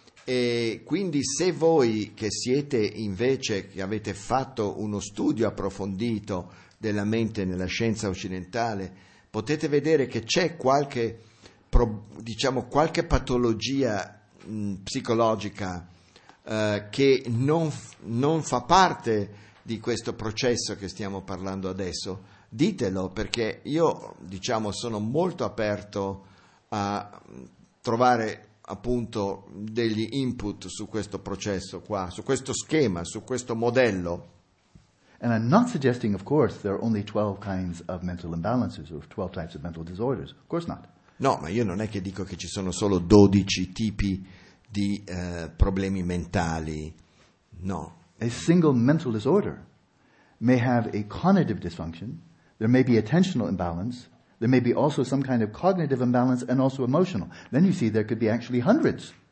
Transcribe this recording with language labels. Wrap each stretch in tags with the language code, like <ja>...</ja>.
<it>E quindi se voi che siete invece, che avete fatto uno studio approfondito della mente nella scienza occidentale, potete vedere che c'è qualche, diciamo, qualche patologia psicologica che non fa parte di questo processo che stiamo parlando adesso. Ditelo, perché io, diciamo, sono molto aperto a trovare appunto degli input su questo processo qua, su questo schema, su questo modello.</it> <en>And I'm not suggesting, of course, there are only 12 kinds of mental imbalances or 12 types of mental disorders. Of course not.</en> <it>No, ma io non è che dico che ci sono solo 12 tipi di problemi mentali. No.</it> <en>A single mental disorder may have a cognitive dysfunction, there may be attentional imbalance, there may be also some kind of cognitive imbalance and also emotional. Then you see there could be actually hundreds</en>